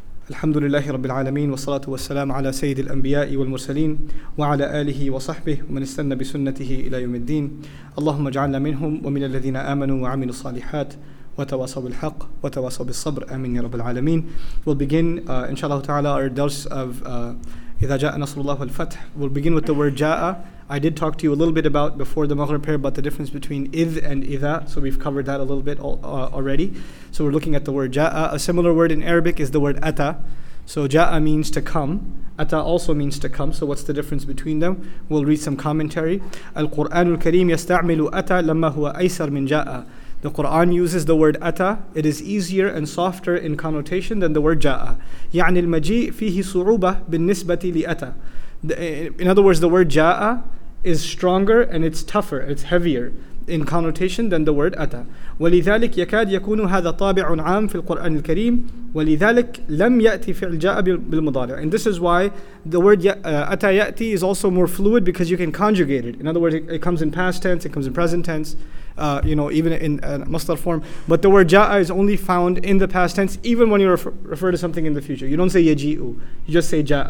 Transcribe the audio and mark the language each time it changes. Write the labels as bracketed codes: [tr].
[ar] الحمد لله رب العالمين والصلاة والسلام على سيد الأنبياء والمرسلين وعلى آله وصحبه ومن استنى بسنته إلى يوم الدين. اللهم اجعلنا منهم ومن الذين آمنوا وعملوا الصالحات وتواصوا بالحق وتواصوا بالصبر. آمين يا رب العالمين. [en] We'll begin [ar] إن شاء الله تعالى [en] our درس of [ar] إذا جاء نصر الله والفتح. [en] We'll begin with the word جاء. I did talk to you a little bit about before the Maghrib prayer about the difference between إذ and إذا. So we've covered that a little bit already. So we're looking at the word جاء. A similar word in Arabic is the word أتى. So جاء means to come. أتى also means to come. So what's the difference between them? We'll read some commentary. [ar] القرآن الكريم يستعمل أتى لما هو أيسر من جاء. [en] The Quran uses the word أتى. It is easier and softer in connotation than the word جاء. [ar] يعني المجيء فيه صعوبة بالنسبة لأتى. [en] In other words, the word جاء is stronger and it's tougher, it's heavier in connotation than the word أتى. [ar] ولذلك يكاد يكون هذا طابع عام في القرآن الكريم. ولذلك لم يأتي فعل جاء بالمضارع. [en] And this is why the word أتى يأتي is also more fluid because you can conjugate it. In other words, it comes in past tense, it comes in present tense. Even in مصدر form. But the word جاء is only found in the past tense, even when you refer to something in the future. You don't say يجيء, you just say جاء.